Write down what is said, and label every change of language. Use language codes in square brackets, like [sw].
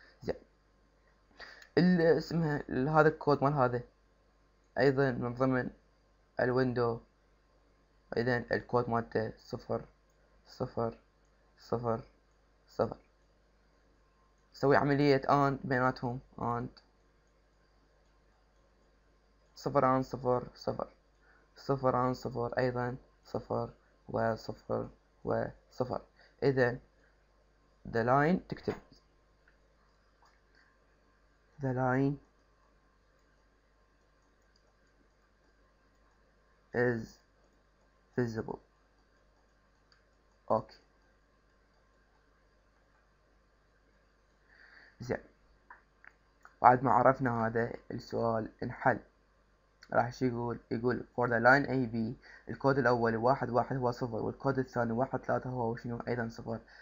[ar] زين، اللي اسمها هذا الكود مال هذا ايضا من ضمن الويندو، اذا الكود مالته صفر صفر صفر صفر. سوي عملية اند بيناتهم، اند صفر عن صفر صفر، صفر عن صفر ايضا صفر وصفر وصفر. [en] اذا the line، [ar] تكتب [en] the line is visible. [ar] اوكي زين، بعد ما عرفنا هذا السؤال انحل. راح ايش يقول؟ يقول [en] for the line AB [ar] الكود الاول واحد واحد هو صفر، والكود الثاني واحد ثلاثة هو شنو؟ ايضا صفر.